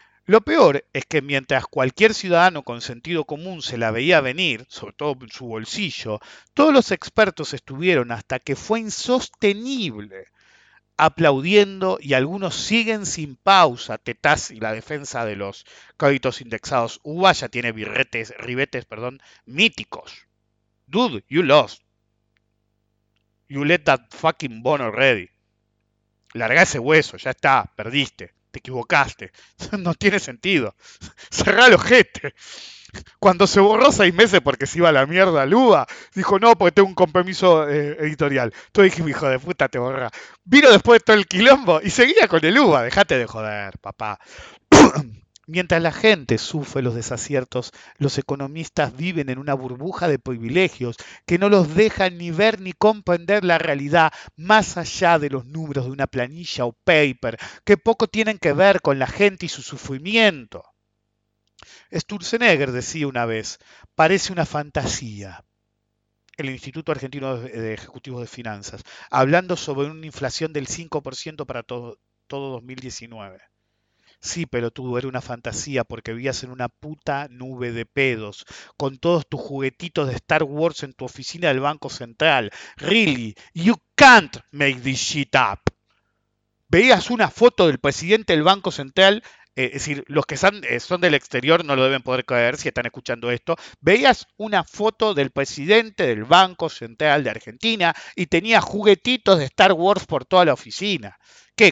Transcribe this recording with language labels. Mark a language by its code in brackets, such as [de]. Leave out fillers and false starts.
[es] Lo peor es que mientras cualquier ciudadano con sentido común se la veía venir, sobre todo en su bolsillo, todos los expertos estuvieron hasta que fue insostenible, aplaudiendo y algunos siguen sin pausa, Tetaz y la defensa de los créditos indexados. UBA ya tiene ribetes, perdón, míticos. [en] Dude, you lost. You let that fucking bone already. [es] Larga ese hueso, ya está, perdiste, te equivocaste. No tiene sentido. Cerrá el ojete. Cuando se borró 6 meses porque se iba a la mierda el UBA, dijo, no, porque tengo un compromiso editorial. Entonces dije, hijo de puta, te borra. Vino después de todo el quilombo y seguía con el UBA, dejate de joder, papá. Mientras la gente sufre los desaciertos, los economistas viven en una burbuja de privilegios que no los deja ni ver ni comprender la realidad más allá de los números de una planilla o paper, que poco tienen que ver con la gente y su sufrimiento. Sturzenegger decía una vez, parece una fantasía. El Instituto Argentino de Ejecutivos de Finanzas, hablando sobre una inflación del 5% para todo 2019. Sí, pelotudo, era una fantasía porque vivías en una puta nube de pedos, con todos tus juguetitos de Star Wars en tu oficina del Banco Central. [en] Really, you can't make this shit up. [es] Veías una foto del presidente del Banco Central, es decir, los que son del exterior no lo deben poder creer si están escuchando esto. Veías una foto del presidente del Banco Central de Argentina y tenía juguetitos de Star Wars por toda la oficina. ¿Qué?